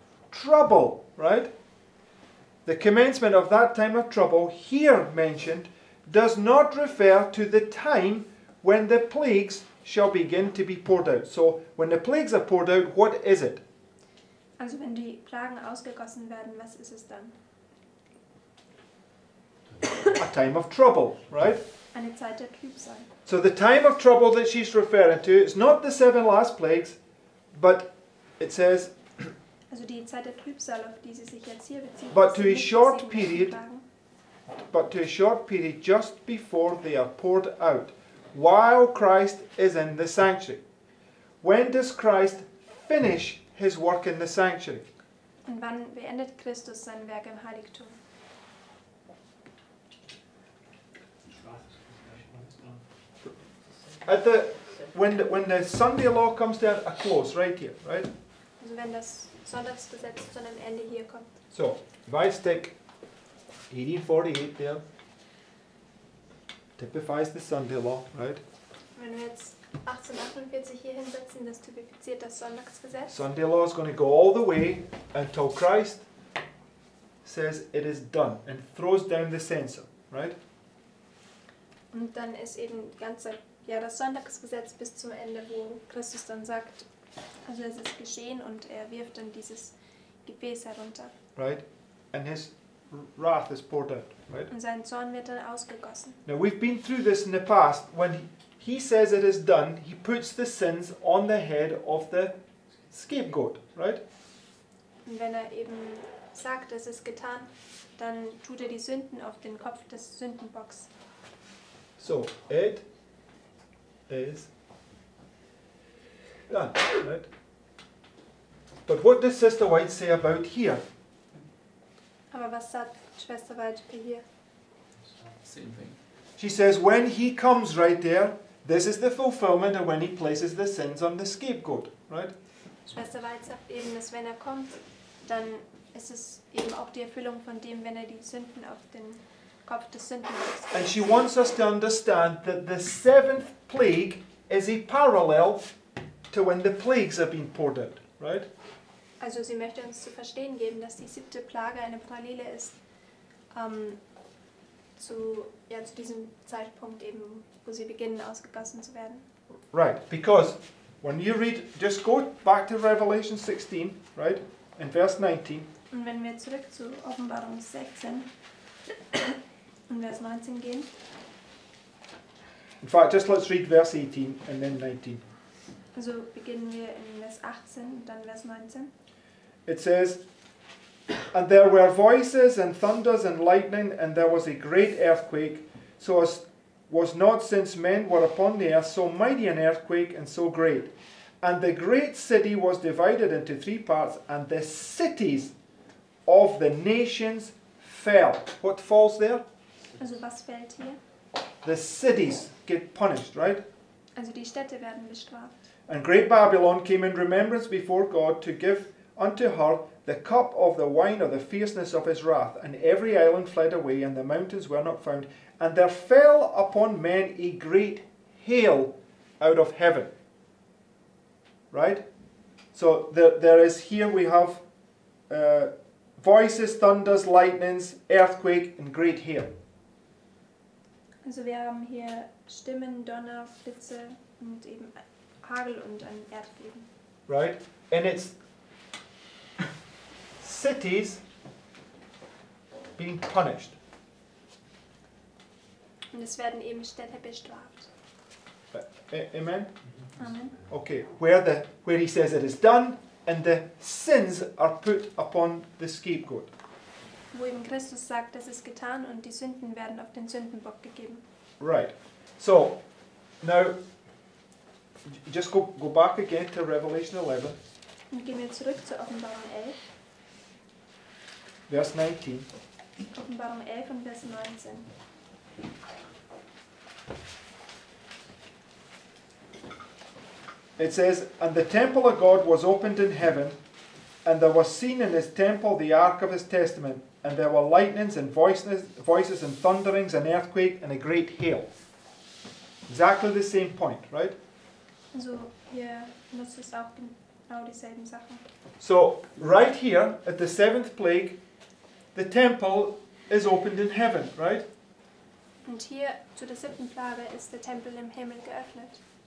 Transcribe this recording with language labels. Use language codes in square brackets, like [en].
[en] Trouble, right? The commencement of that time of trouble here mentioned does not refer to the time when the plagues shall begin to be poured out. So when the plagues are poured out, what is it? [de] Also wenn die Plagen ausgegossen werden, was ist es dann? [en] A time of trouble, right? [de] Eine Zeit der Trübsal. [en] So the time of trouble that she's referring to is not the seven last plagues, but it says, [de] also die Zeit der Trübsal, auf die sie sich jetzt hier bezieht, [en] but to a short period, but to a short period just before they are poured out, while Christ is in the sanctuary. When does Christ finish his work in the sanctuary? [de] Und wann beendet Christus sein Werk im Heiligtum? [en] At the when the Sunday law comes to a close right here, right? [de] Also wenn das Sonntagsgesetz zu einem Ende hier kommt. [en] So, if I stick 1848 there, typifies the Sunday law, right? [de] Wenn wir jetzt 1848 hier hinsetzen, das typifiziert das Sonntagsgesetz. [en] Sunday law is going to go all the way until Christ says it is done and throws down the censer, right? [de] Und dann ist eben ganze ja, das Sonntagsgesetz bis zum Ende, wo Christus dann sagt, also es ist geschehen und er wirft dann dieses Gefäß herunter. [en] Right, and his wrath is poured out, right? [de] Und sein Zorn wird dann ausgegossen. [en] Now we've been through this in the past, when he says it is done, he puts the sins on the head of the scapegoat, right? [de] Und wenn er eben sagt, es ist getan, dann tut er die Sünden auf den Kopf des Sündenbocks. [en] So, it is done, right? But what does Sister White say about here? [de] Aber was sagt Schwester White hier? [en] Same thing. She says, when he comes right there, this is the fulfillment of when he places the sins on the scapegoat, right? [de] Schwester White sagt eben, dass wenn er kommt, dann ist es eben auch die Erfüllung von dem, wenn er die Sünden auf den Kopf des Sündenbocks. [en] And she wants us to understand that the seventh plague is a parallel to when the plagues have been poured out, right? [de] Also sie möchte uns zu verstehen geben, dass die siebte Plage eine Parallele ist zu diesem Zeitpunkt eben, wo sie beginnen ausgegossen zu werden. [en] Right, because When you read, just go back to Revelation 16, right, in verse 19. [de] Und wenn wir zurück zu Offenbarung 16 und Vers 19 gehen. [en] In fact, just let's read verse 18 and then 19. [de] Also beginnen wir in Vers 18 und dann Vers 19. [en] It says, and there were voices and thunders and lightning, and there was a great earthquake, so as was not since men were upon the earth so mighty an earthquake and so great. And the great city was divided into three parts, and the cities of the nations fell. What falls there? [de] Also was fällt hier? [en] The cities get punished, right? [de] Also die Städte werden bestraft. [en] And great Babylon came in remembrance before God to give unto her the cup of the wine of the fierceness of his wrath. And every island fled away, and the mountains were not found. And there fell upon men a great hail out of heaven. Right? So there is here we have voices, thunders, lightnings, earthquake, and great hail. [de] Also wir haben hier Stimmen, Donner, Blitze und eben Hagel und ein Erdbeben. [en] Right? And it's cities being punished. [de] Und es werden eben Städte bestraft. [en] Amen? Amen. Okay, where he says it is done and the sins are put upon the scapegoat. [de] Wo eben Christus sagt, es ist getan und die Sünden werden auf den Sündenbock gegeben. [en] Right. So, now, just go back again to Revelation 11. [de] Und gehen wir zurück zu Offenbarung 11. Vers 19. Offenbarung 11 und Vers 19. [en] It says, and the temple of God was opened in heaven, and there was seen in his temple the ark of his testament, and there were lightnings and voices and thunderings and earthquake and a great hail. Exactly the same point, right? So, yeah, [de] das ist auch genau dieselben Sachen. [en] So, right here, at the seventh plague, the temple is opened in heaven, right? [de] Und hier, zu der siebten Plage, ist der Tempel im Himmel geöffnet.